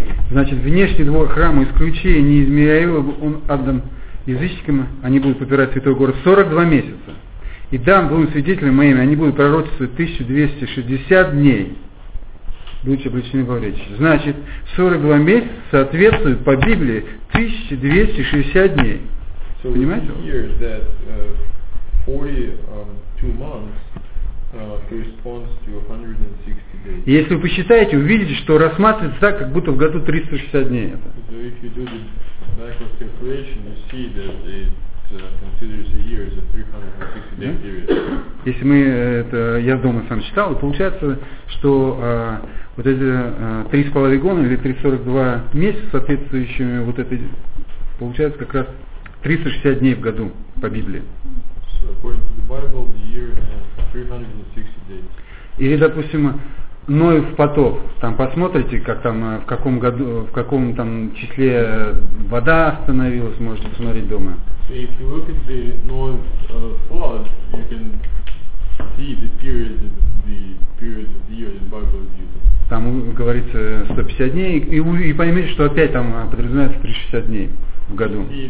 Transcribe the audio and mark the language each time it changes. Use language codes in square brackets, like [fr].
[ru] Значит, внешний двор храма, исключение не измеряю, он отдан язычникам, они будут попирать святой город 42 месяца. И дам двум свидетелям моим, они будут пророчествовать 1260 дней, будучи обречены во речи. Значит, 42 месяца соответствует по Библии 1260 дней. [en] So we see here that 42 months corresponds to 160 days. [ru] Если вы посчитаете, увидите, что рассматривается так, как будто в году 360 дней. [en] So if you do the backward calculation, you see that it considers the year as a 360 day period. [ru] Если мы это, я дома сам читал, получается, что вот эти 3,5 года или 342 месяца, соответствующими вот этой, получается как раз 360 дней в году по Библии. [en] So according to the Bible, the year has 360 days. [ru] Или, допустим, Ноев потоп. Там посмотрите, как там, в каком году, в каком там числе вода остановилась, можете посмотреть дома. [en] So if you look at the Noah's flood, you can see the period of the year the Bible is used. [ru] Там говорится 150 дней, и поймете, что опять там подразумевается 360 дней в году.